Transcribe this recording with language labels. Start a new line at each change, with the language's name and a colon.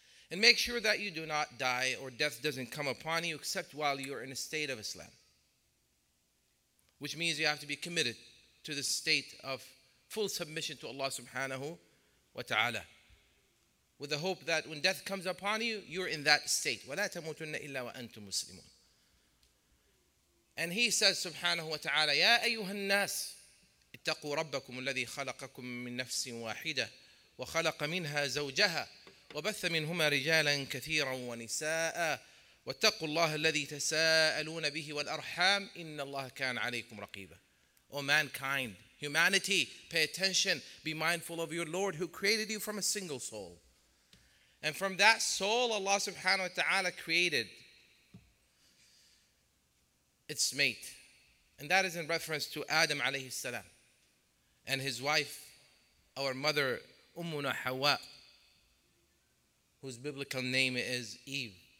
English: And make sure that you do not die or death doesn't come upon you except while you're in a state of Islam. Which means you have to be committed to the state of full submission to Allah subhanahu wa ta'ala. With the hope that when death comes upon you, you're in that state.
Arabic: وَلَا تَمُوتُنَّ إِلَّا وَأَنْتُمْ مُسْلِمُونَ.
English: And he says, subhanahu wa ta'ala,
Arabic: يَا أَيُّهَا النَّاسِ اِتَّقُوا رَبَّكُمُ الَّذِي خَلَقَكُم مِّن نَفْسٍ وَاحِدَةٍ وَخَلَقَ مِنْهَا زَوْجَهَا وَبَثَّ مِنْهُمَا رِجَالًا كَثِيرًا وَنِسَاءً وَاتَّقُوا اللَّهَ الَّذِي تَسَاءَلُونَ بِهِ وَالْأَرْحَامِ إِنَّ اللَّهَ كَانَ عَلَيْكُمْ رَقِيبًا.
English: O mankind, humanity, pay attention, be mindful of your Lord who created you from a single soul. And from that soul, Allah subhanahu wa ta'ala created its mate. And that is in reference to Adam alayhi salam and his wife, our mother, Ummuna Hawa, whose biblical name is Eve.